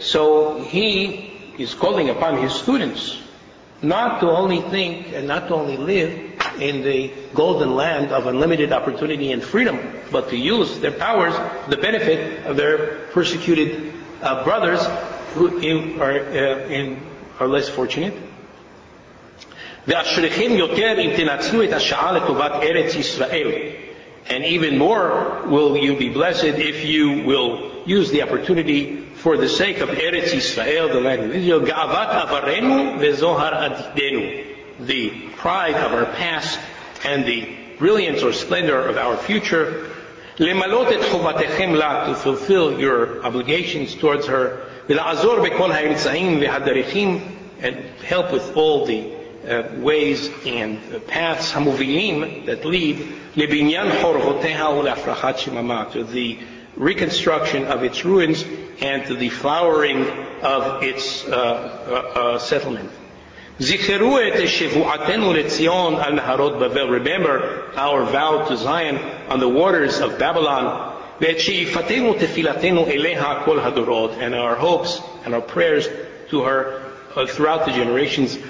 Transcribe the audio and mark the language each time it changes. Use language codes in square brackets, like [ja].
[en] So he is calling upon his students not to only think and not to only live in the golden land of unlimited opportunity and freedom, but to use their powers for the benefit of their persecuted brothers who are less fortunate. [he] ואשריכם יותר אם תנצלו את השעה לטובת ארץ ישראל. [en] And even more will you be blessed if you will use the opportunity for the sake of Eretz Yisrael, the land of Israel. [he] גאוות עברנו וזוהר עתידנו. [en] The pride of our past and the brilliance or splendor of our future. [he] למלות את חובתכם לה, [en] to fulfill your obligations towards her. [he] ולעזור בכל האמצעים והדרכים, [en] and help with all the ways and paths [he] המובילים [en] that lead [he] לבניין חורבותיה ולהפרחת שממה, [en] to the reconstruction of its ruins and to the flowering of its settlement. [he] זכרו את שבועתנו לציון על נהרות בבל. [en] Remember our vow to Zion on the waters of Babylon. [he] ואת שאיפתנו תפילתנו אליה כל הדורות, [en] and our hopes and our prayers to her throughout the generations.